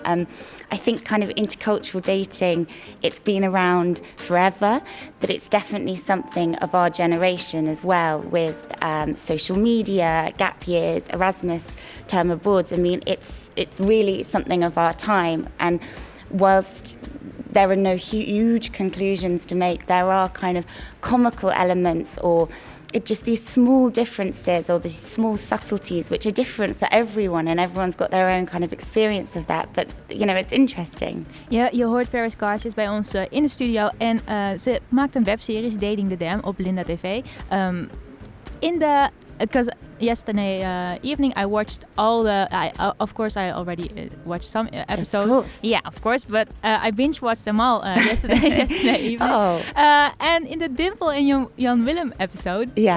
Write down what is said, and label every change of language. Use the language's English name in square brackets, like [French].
[English] I think kind of intercultural dating, it's been around forever, but it's definitely something of our generation as well, with social media, gap years, Erasmus term abroads. I mean, it's really something of our time, and whilst there are no huge conclusions to make, there are kind of comical elements, or it just these small differences or these small subtleties which are different for everyone, and everyone's got their own kind of experience of that. But you know, it's interesting. [Dutch] Ja, je hoort Paris Garces bij ons in de studio en ze maakt een webserie Dating the Dam op Linda TV. [English] In de because yesterday evening I watched all the of course I already watched some episodes. Of course. Yeah, of course, but I binge watched them all yesterday evening. Oh. And in the Dimple and Jan Willem episode, yeah,